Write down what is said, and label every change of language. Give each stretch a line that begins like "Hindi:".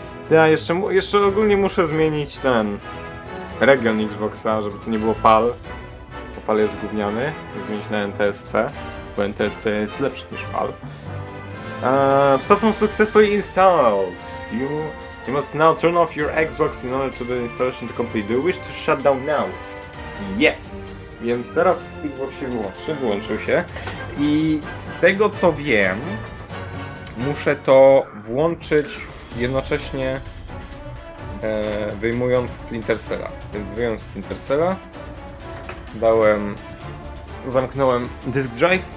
Polish: Ja jeszcze ogólnie muszę zmienić ten region Xboxa, żeby to nie było PAL. Bo PAL jest gówniany. Zmienić na NTSC. Bo NTSC jest lepszy niż PAL.
English: Stopą successfully installed. You must now turn off your Xbox in order to the installation to complete. Do you wish to shut down now? Yes!
Polish: Więc teraz Xbox się wyłączy, wyłączył się. I z tego co wiem, muszę to włączyć jednocześnie wyjmując Splinter Cella. Więc wyjąłem Splinter Cella, zamknąłem disk drive.